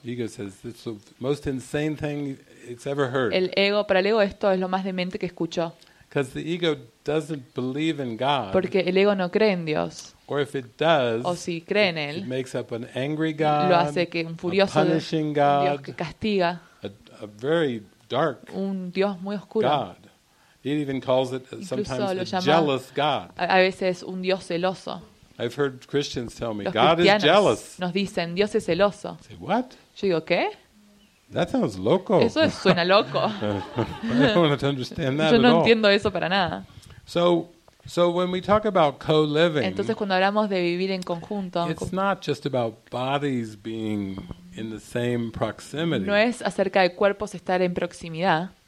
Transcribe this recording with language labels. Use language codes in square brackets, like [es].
[en] Ego says it's the most insane thing it's ever heard. [es] El ego, para el ego, esto es lo más demente que escuchó. [en] Because the ego doesn't believe in God. [es] Porque el ego no cree en Dios. [en] Or if it does, [es] o si cree en él, [en] it makes up an angry God. [es] Lo hace que un furioso, [en] a punishing God, [es] un Dios que castiga. [en] A very dark, [es] un Dios muy oscuro. [en] God. He even calls it sometimes a jealous God. [es] A veces un Dios celoso. [en] I've heard Christians tell me God is jealous. [es] Nos dicen Dios es celoso. [en] Say what? [es] Yo digo qué? [en] That sounds loco. [es] Eso suena loco. [en] I don't want to understand that [es] yo no [en] at [es] entiendo [en] all. [es] Eso para nada. [en] So when we talk about co-living, [es] entonces cuando hablamos de vivir en conjunto, [en] it's not just about bodies being in the same proximity. [es] No es acerca de cuerpos estar en proximidad.